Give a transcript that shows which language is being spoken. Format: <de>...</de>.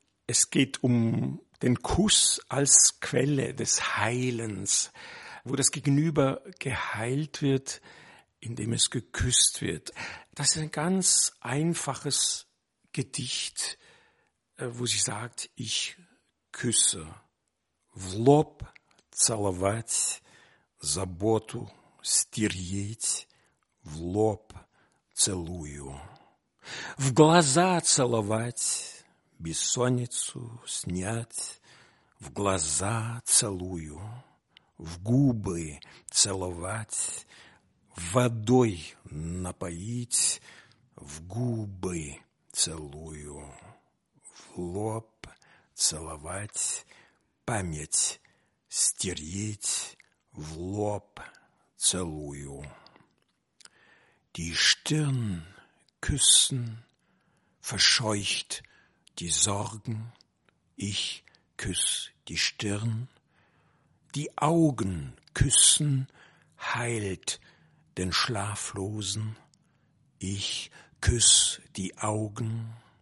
<de>Es geht um den Kuss als Quelle des Heilens, wo das Gegenüber geheilt wird, indem es geküsst wird. Das ist ein ganz einfaches Gedicht, wo sie sagt, ich küsse.</de> <ru>В лоб целовать, заботу стереть, в лоб целую. В глаза целовать, бессонницу снять, в глаза целую, в губы целовать, водой напоить, в губы целую, в лоб целовать, память стереть, в лоб целую.</ru> <de>Die Stirn küssen, verscheucht die Sorgen, ich küss die Stirn. Die Augen küssen, heilt den Schlaflosen, ich küss die Augen.</de>